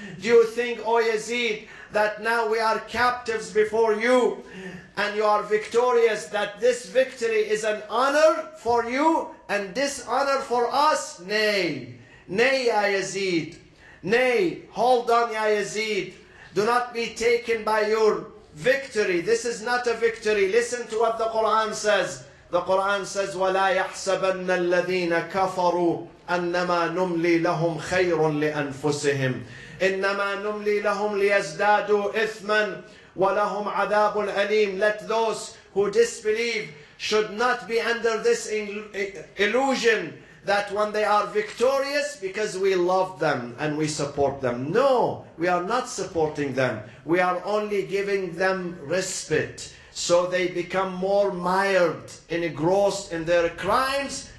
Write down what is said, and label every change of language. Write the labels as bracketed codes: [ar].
[en] Do you think, O Yazid, that now we are captives before you and you are victorious, that this victory is an honor for you and dishonor for us? Nay, nay, Ya Yazid, nay, hold on, Ya Yazid, do not be taken by your victory. This is not a victory. Listen to what the Quran says. The Quran says, [ar] وَلَا يَحْسَبَنَّ الَّذِينَ كَفَرُوا أَنَّمَا نُمْلِي لَهُمْ خَيْرٌ لِأَنفُسِهِمْ إِنَّمَا نُمْلِي لَهُمْ لِيَزْدَادُوا إِثْمًا وَلَهُمْ عَذَابُ الْأَلِيمِ. [en] Let those who disbelieve should not be under this illusion that when they are victorious, because we love them and we support them. No, we are not supporting them. We are only giving them respite. So they become more mired and engrossed in their crimes.